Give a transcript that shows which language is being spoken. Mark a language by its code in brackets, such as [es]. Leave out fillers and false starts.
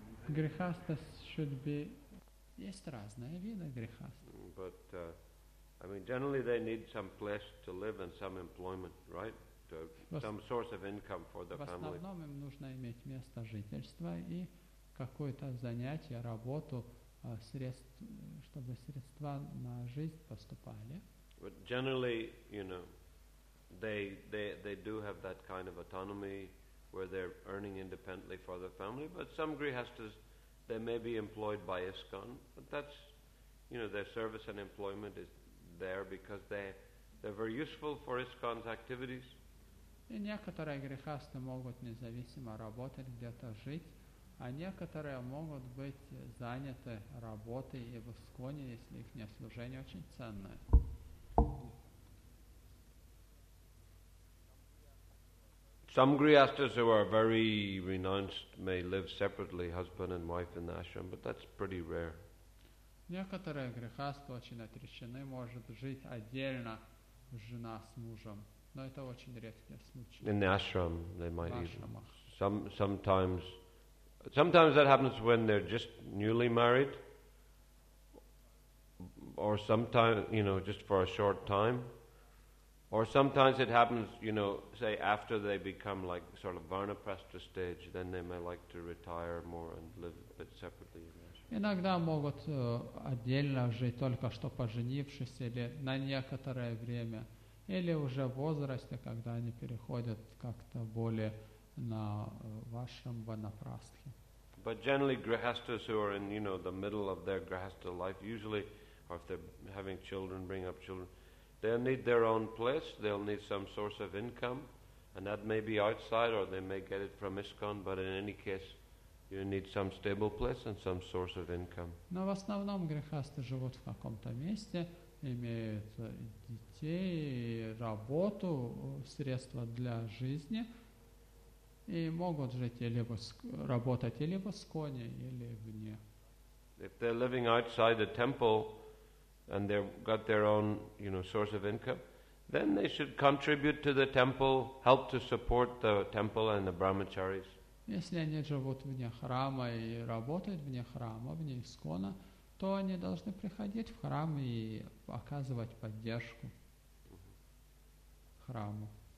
[ru] Грехастас [en] should be. [ru] Есть разные виды грехастас. [en] But, I mean, generally they need some place to live and some employment, right? Some source of income for the family. [ru] В основном им нужно иметь место жительства и какое-то занятие, работу, средств, чтобы средства на жизнь поступали. [en] But generally, you know, they do have that kind of autonomy where they're earning independently for the family, but some grihastas, they may be employed by ISKCON, but that's, you know, their service and employment is there because they They were useful for ISKCON's activities. [ru] И некоторые грехасты могут независимо работать где-то жить, а некоторые могут быть заняты работой и в ИСККОНе, если их служение очень ценное. [en] Some grihasthas who are very renounced may live separately, husband and wife in the ashram, but that's pretty rare. [ru] Некоторые грехасты очень отречены, может жить отдельно жена с мужем, но это очень редкий случай. [en] In the ashram, they might even. Sometimes that happens when they're just newly married, or sometimes, you know, just for a short time. Or sometimes it happens, you know, say after they become like sort of varnaprastha stage, then they may like to retire more and live a bit separately. [ru] Иногда могут отдельно жить только что поженившись или на некоторое время, или уже в возрасте, когда они переходят как-то более на вашем варнапрастхе. [en] But generally, grihasthas who are in, you know, the middle of their grihastha life, usually, or if they're having children, bring up children. They'll need their own place, they'll need some source of income, and that may be outside or they may get it from ISKCON, but in any case, you need some stable place and some source of income. [ru] Но в основном грехасты живут в каком-то месте, имеют детей, работу, средства для жизни, и могут жить или работать или в ИСККОНе, или вне. [en] If they're living outside the temple, and they've got their own, you know, source of income, then they should contribute to the temple, help to support the temple and the brahmacharis. [ru] Если они живут вне храма и работают вне храма, вне ИСККОНа, то они должны приходить в храм и оказывать поддержку храму.